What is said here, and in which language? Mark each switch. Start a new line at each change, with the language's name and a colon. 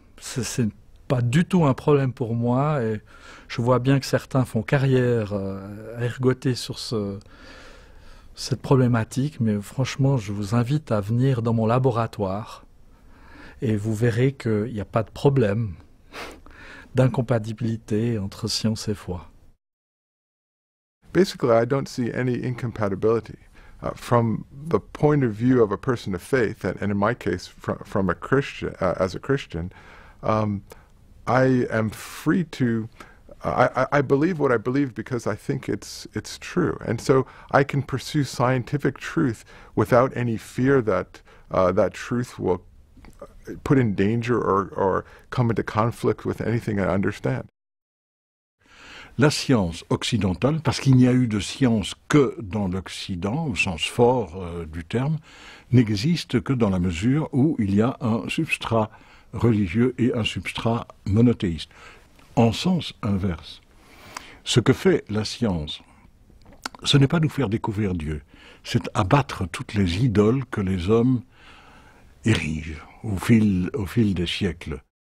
French: Ce n'est pas du tout un problème pour moi, et je vois bien que certains font carrière ergotée sur cette problématique, mais franchement, je vous invite à venir dans mon laboratoire et vous verrez qu'il n'y a pas de problème d'incompatibilité entre science et foi.
English: Basically, I don't see any incompatibility. From the point of view of a person of faith, and in my case, from a Christian, as a Christian, I am free to... I believe what I believe because I think it's true. And so I can pursue scientific truth without any fear that that truth will put in danger or come into conflict with anything I understand.
French: La science occidentale, parce qu'il n'y a eu de science que dans l'Occident, au sens fort du terme, n'existe que dans la mesure où il y a un substrat religieux et un substrat monothéiste. En sens inverse, ce que fait la science, ce n'est pas nous faire découvrir Dieu, c'est abattre toutes les idoles que les hommes érigent au fil des siècles.